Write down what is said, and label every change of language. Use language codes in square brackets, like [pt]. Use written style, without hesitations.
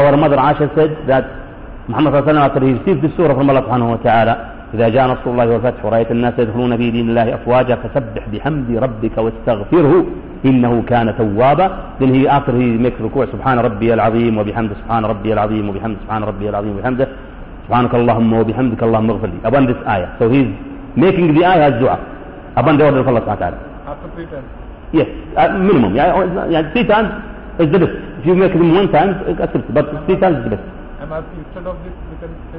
[en] Our mother Aisha said that Muhammad sallallahu alayhi wa sallam, after he received the surah from Allah subhanahu wa ta'ala, [ar] إِذَا جَاءَ نَصْرُ اللَّهِ وَالْفَتْحُ رَأَيْتَ النَّاسَ يَدْخُلُونَ فِي دِينِ اللَّهِ أَفْوَاجًا فَسَبِّحْ بِحَمْدِ رَبِّكَ وَاسْتَغْفِرْهُ إِنَّهُ كَانَ تَوَّابًا. [en] Then he, after he makes [ar] ركوع, سبحان ربي العظيم وبحمد سبحان ربي العظيم وبحمد سبحان ربي العظيم وبحمد سبحانك اللهم وبحمدك اللهم اغفر لي. [en] Upon this ayah. So he's making the ayah as dua. Upon the order of Allah ta'ala. Yes, minimum. Yeah, three times is the best. If you make them one time, it's accept. But three times is the best. I'm asking, instead of this, we can say...